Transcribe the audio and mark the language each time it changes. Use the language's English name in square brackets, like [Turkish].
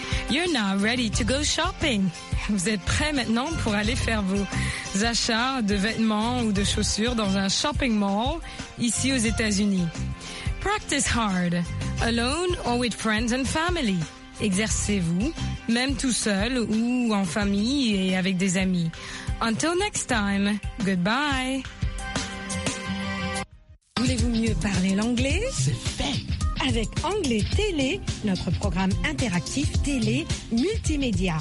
[English] You're now ready to go shopping. [French] Vous êtes prêt maintenant pour aller faire vos achats de vêtements ou de chaussures dans un shopping mall ici aux États-Unis. [English] Practice hard, alone or with friends and family. [French] Exercez-vous, même tout seul ou en famille et avec des amis. [English] Until next time, goodbye. [French] Voulez-vous mieux parler l'anglais? C'est fait! Avec Anglais Télé, notre programme interactif télé multimédia.